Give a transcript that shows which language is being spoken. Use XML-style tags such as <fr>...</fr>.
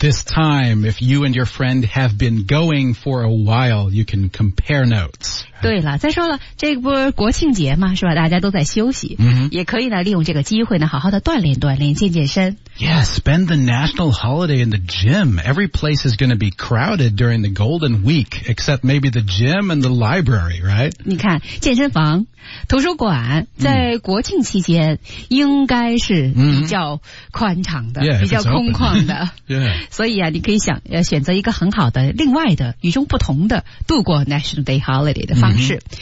<en>This time, if you and your friend have been going for a while, you can compare notes.</en> <zh>对了，再说了，这不国庆节嘛，是吧？大家都在休息，也可以呢，利用这个机会呢，好好的锻炼锻炼，健健身。</zh> <en>Yeah, spend the national holiday in the gym. Every place is going to be crowded during the Golden Week, except maybe the gym and the library, right?</en> <zh>你看，健身房、图书馆在国庆期间应该是比较宽敞的、</zh> <en>yeah,</en> <zh>比较空旷的。</zh> <en>yeah.</en> <zh>所以啊，你可以想选择一个很好的、另外的、与众不同的度过</zh> <en>National Day Holiday</en> <zh>的方式。</zh>